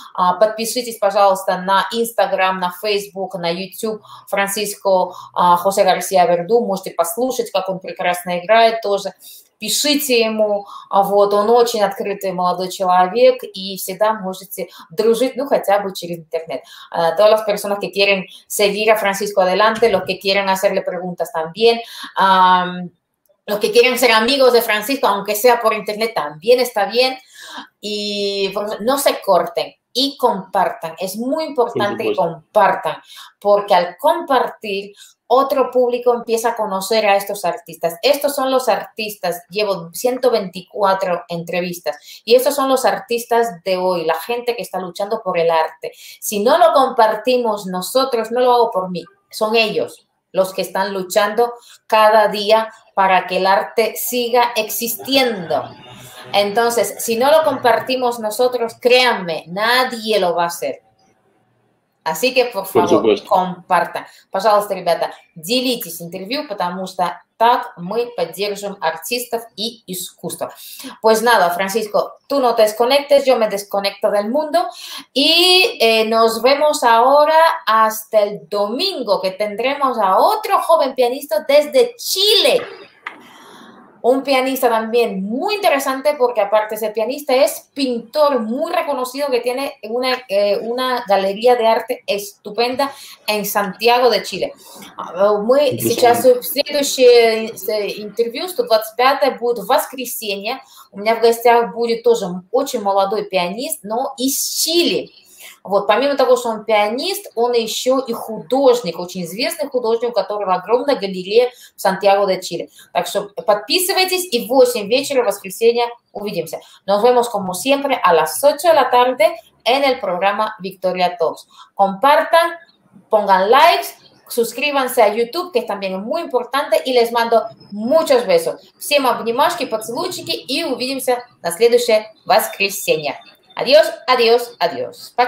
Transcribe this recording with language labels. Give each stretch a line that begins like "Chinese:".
Russian: Подпишитесь, пожалуйста, на Instagram, на Facebook, на YouTube Франциско Хосе Гарсия Верду. Можете послушать, как он прекрасно играет тоже. Пишите ему, вот, он очень открытый молодой человек, и всегда можете дружить, ну, хотя бы через интернет.
Spanish: Todas las personas que quieren seguir a Francisco adelante, los que quieren hacerle preguntas también, los que quieren ser amigos de Francisco, aunque sea por internet, también está bien. Y no se corten y compartan. Es muy importante que compartan, porque al compartir, otro público empieza a conocer a estos artistas. Estos son los artistas, llevo 124 entrevistas, y estos son los artistas de hoy, la gente que está luchando por el arte. Si no lo compartimos nosotros, no lo hago por mí, son ellos los que están luchando cada día para que el arte siga existiendo. Entonces, si no lo compartimos nosotros, créanme, nadie lo va a hacer. Así que, por favor, por supuesto. Compartan.
Russian: Пожалуйста, ребята, делитесь интервью, потому что так мы поддержим артистов и искусство.
Spanish: Pues nada, Francisco, tú no te desconectes, yo me desconecto del mundo. Y nos vemos ahora hasta el domingo, que tendremos a otro joven pianista desde Chile. Un pianista también muy interesante porque aparte de ser pianista es pintor muy reconocido que tiene una galería de arte estupenda en Santiago de Chile.
Russian: Мы сейчас в следующей интервью 125-е будет воскресенье. У меня в гостях будет тоже очень молодой пианист, но из Чили. Вот, помимо того, что он пианист, он еще и художник, очень известный художник, у которого огромная галерея в Сантьяго-де-Чили. Так что подписывайтесь и в 8 вечера воскресенья увидимся.
Spanish: Nos vemos como siempre a las 8 de la tarde en el programa Victoria Talks. Compartan, pongan likes, suscríbanse a YouTube, que también es muy importante, y les mando muchos besos.
Russian: Всем обнимашки, поцелуйчики и увидимся на следующее воскресенье.
Spanish: Adiós, adiós, adiós.
Russian: Пока.